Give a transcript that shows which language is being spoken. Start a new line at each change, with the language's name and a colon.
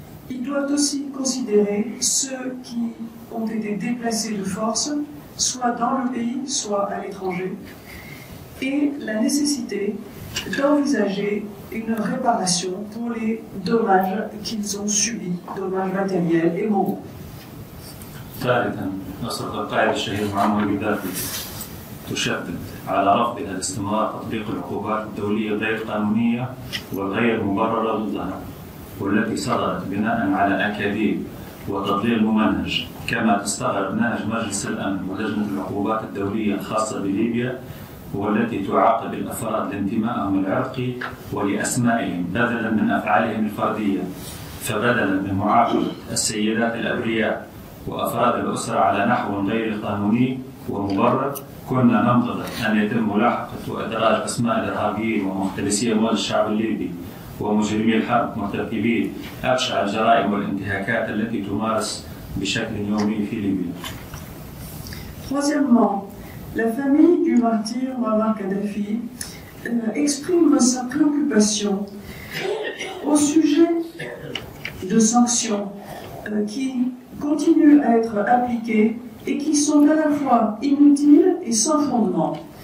French: Ils doivent aussi considérer ceux qui ont été déplacés de force, soit dans le pays, soit à l'étranger, et la nécessité d'envisager une réparation pour les dommages qu'ils ont subis, dommages matériels et moraux.
Arabic: ثالثا نصرت القائد الشهير معمر قذافي تشدد على رفضها لاستمرار تطبيق العقوبات الدولية غير قانونية وغير مبررة ضدها والتي صدرت بناء على أكاذيب وتضليل ممنهج كما تستغرب منهج مجلس الأمن ولجنة العقوبات الدولية الخاصة بليبيا والتي تعاقب الأفراد لانتمائهم العرقي ولأسمائهم بدلا من أفعالهم الفردية فبدلا من معاقبة السيدات الأبرياء وأفراد الأسرة على نحو غير قانوني ومبرر كنا ننتظر أن يتم ملاحقة وإدراج أسماء الإرهابيين ومختلسي أموال الشعب الليبي ومجرمي الحرب مرتكبين أبشع الجرائم والانتهاكات التي تمارس بشكل يومي في ليبيا.
French: Troisièmement, la famille du martyr Muammar Kadhafi exprime sa préoccupation au sujet de sanctions qui continuent à être appliquées et qui sont à la fois inutiles et sans fondement.